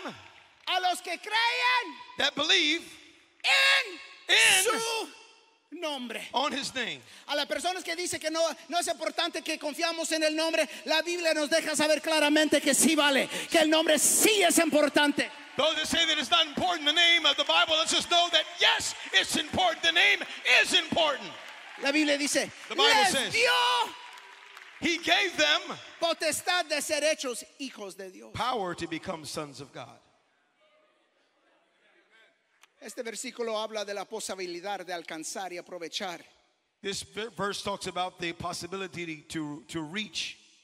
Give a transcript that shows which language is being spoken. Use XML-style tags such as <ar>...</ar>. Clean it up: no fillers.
<es>a los que creen,</es> <en>that believe.</en> <es>En su nombre.</es> <en>On his name.</en> <es>A las personas que dicen que no es importante que confiamos en el nombre, la Biblia nos deja saber claramente que sí vale, que el nombre sí es importante.</es> <en>Those that say that it's not important, the name of the Bible, let's just know that yes, it's important. The name is important.</en> <es>La Biblia dice,</es> <en>the Bible</en> <es>les</es> <en>says,</en> <es>dio</es> <en>he gave them</en> <es>potestad de ser hechos hijos de Dios.</es> <en>Power to become sons of God.</en> <es>Este versículo habla de la posibilidad de alcanzar y aprovechar.</es> <en>This verse talks about the possibility to reach</en>